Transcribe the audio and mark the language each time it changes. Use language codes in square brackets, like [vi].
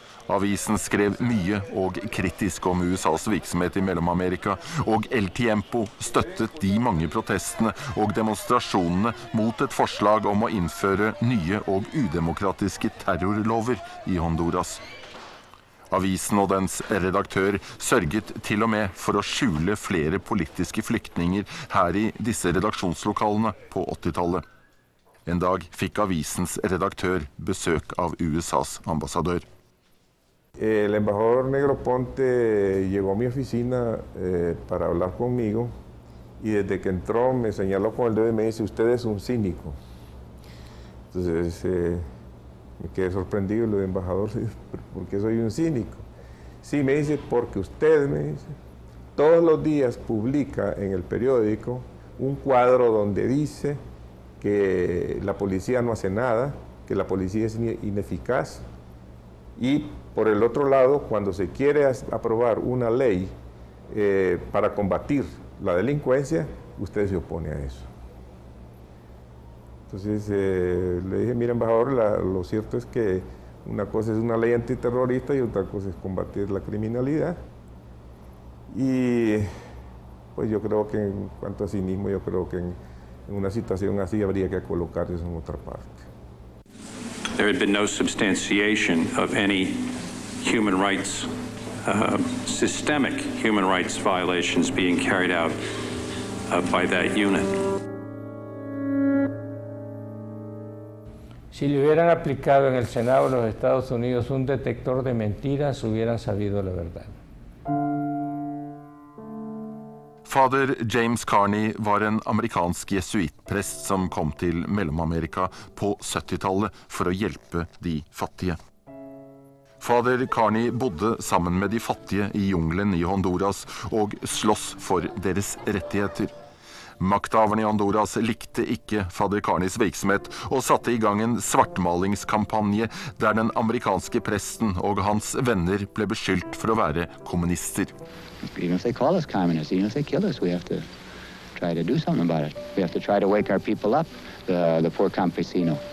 [no] Avisen skrev mye og kritisk om USAs virksomhet i Mellomamerika, og El Tiempo støttet de mange protestene og demonstrasjonene mot et forslag om å innføre nye og udemokratiske terrorlover i Honduras. Avisen og dens redaktør sørget til og med for å skjule flere politiske flyktninger her i disse redaksjonslokalene på 80-tallet. En dag fikk avisens redaktør besøk av USAs ambassadør. [es] El embajador Negroponte llegó a mi oficina para hablar conmigo y desde que entró me señaló con el dedo y me dice, usted es un cínico. Entonces me quedé sorprendido y le dije, embajador, ¿por qué soy un cínico? Sí, me dice, porque usted, me dice, todos los días publica en el periódico un cuadro donde dice que la policía no hace nada, que la policía es ineficaz y por el otro lado, cuando se quiere aprobar una ley para combatir la delincuencia, usted se opone a eso. Entonces le dije, mira, embajador, lo cierto es que una cosa es una ley antiterrorista y otra cosa es combatir la criminalidad. Y pues yo creo que en cuanto a cinismo, yo creo que en una situación así habría que colocar eso en otra parte. [en] There had been no substantiation of any human rights, systemic human rights violations being carried out by that unit. [es] Si le hubieran aplicado en el Senado de los Estados Unidos un detector de mentiras, hubieran sabido la verdad. [no] Fader James Carney var en amerikansk jesuitprest som kom til Mellomamerika på 70-tallet for å hjelpe de fattige. Fader Carney bodde sammen med de fattige i junglen i Honduras og slåss for deres rettigheter. Makthaverne i Honduras likte ikke Fader Carneys virksomhet og satte i gang en svartmalingskampanje der den amerikanske presten og hans venner ble beskyldt for å være kommunister. [en] Even if they call us communists, even if they kill us, we have to try to do something about it. We have to try to wake our people up, the poor campesino.